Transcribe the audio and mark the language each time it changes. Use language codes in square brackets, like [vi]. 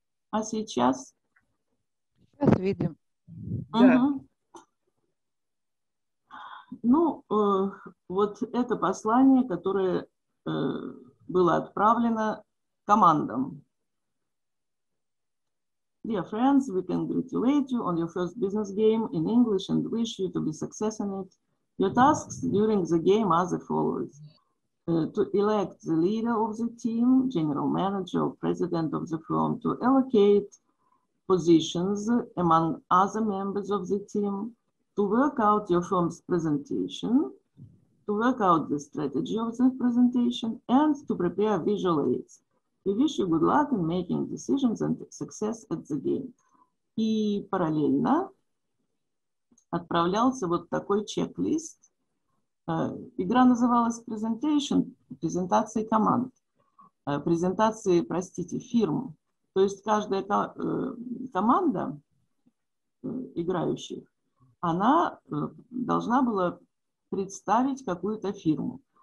[ru] А сейчас? Сейчас видим. Да. Угу. Ну, вот это послание, которое было отправлено командам. [en] Dear friends, we congratulate you on your first business game in English and wish you to be successful in it. Your tasks during the game are the following. To elect the leader of the team, general manager or president of the firm, to allocate positions among other members of the team, to work out your firm's presentation, to work out the strategy of the presentation, and to prepare visual aids. We wish you good luck in making decisions and success at the game. [ru] И параллельно отправлялся вот такой чек-лист. Игра называлась Presentation, презентации команд. Презентации, простите, фирм. То есть каждая команда играющих, она должна была представить какую-то фирму.